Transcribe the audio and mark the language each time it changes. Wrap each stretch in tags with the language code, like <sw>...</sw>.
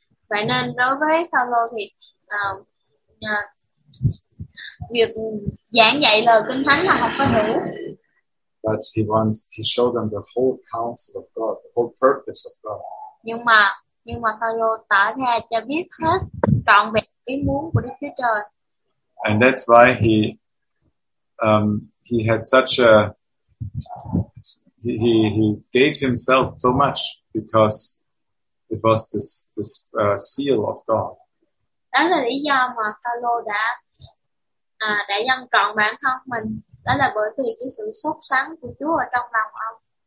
<vi>Vậy nên đối với Phaolô thì việc giảng dạy lời kinh thánh là không có đủ.</vi> <en>But he wants to show them the whole counsel of God, the whole purpose of God.</en> <vi>Nhưng mà Phaolô tỏ ra cho biết hết trọn vẹn ý muốn của Đức Chúa Trời.</vi> <en>And that's why he had such a he gave himself so much because it was this seal of God.</en> <vi>Đó là lý do mà Phaolô đã dâng trọn bản thân mình, đó là bởi vì cái sự sốt sắng của Chúa ở trong lòng ông.</vi>